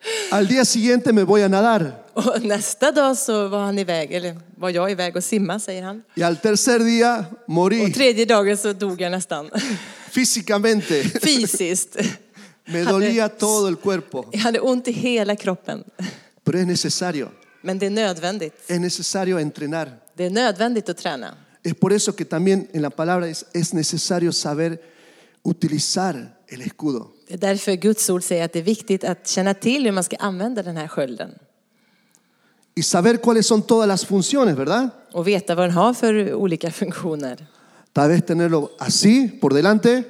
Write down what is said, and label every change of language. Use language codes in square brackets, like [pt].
[es] Al día siguiente me voy a nadar. [sv] Och nästa dag så var han iväg, eller var jag iväg och simma, säger han. [es] Y al tercer día morí. [sv] Och tredje dagen så dog jag nästan. [es] Fisicamente. [sv] Fysiskt. [es] Me dolía todo el cuerpo. [sv] Jag hade ont i hela kroppen. [es] Pero es necesario. [sv] Men det är nödvändigt. [es] Es necesario entrenar. [sv] Det är nödvändigt att träna. [es] Es por eso que también en la palabra es necesario saber utilizar el escudo. [sv] Det är därför Guds ord säger att det är viktigt att känna till hur man ska använda den här skölden. [es] Y saber cuáles son todas las funciones, ¿verdad? [sv] Och veta vad den har för olika funktioner. [es] Tal vez tenerlo así por delante.